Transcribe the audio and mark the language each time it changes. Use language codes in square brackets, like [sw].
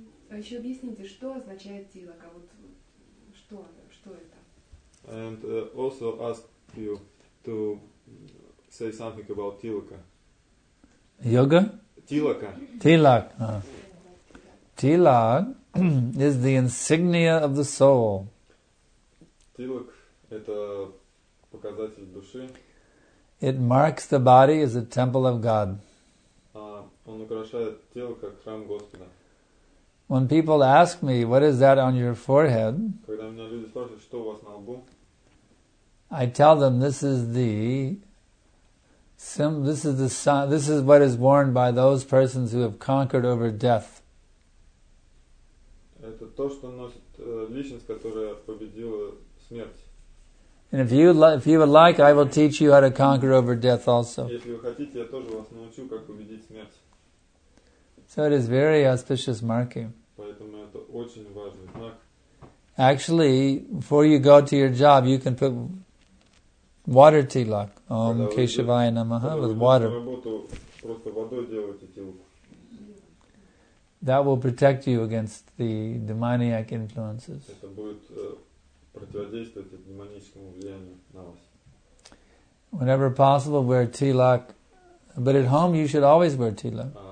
[ru] А еще объясните, что означает тилака? Вот что это? [en] And also ask you to say something about тилака. [ru] Йога? Тилака. [en] Тилак. Тилак is the insignia of the soul. [ru] Тилак это показатель души. [en] It marks the body as a temple of God. [ru] Он украшает тело как храм Господа. [en] When people ask me, what is that on your forehead? [ru] Когда меня люди спрашивают, что у вас на лбу? [en] I tell them this is the this is what is worn by those persons who have conquered over death. [ru] Это то, что носит личность, которая победила смерть. [en] And if you would like, I will teach you how to conquer over death also. [ru] Если вы хотите, я тоже вас научу, как победить смерть. [en] So it is very auspicious marking. [ru] Поэтому это очень важный знак. [en] Actually, before you go to your job, you can put water tilak, [sa] Om Keshavaya Namaha, [en] with water. [ru] Работу, просто водой делайте тилак. [en] That will protect you against the demoniac influences. [ru] Это будет противодействовать демоническому влиянию на вас. [en] Whenever possible, wear tilak. But at home, you should always wear tilak.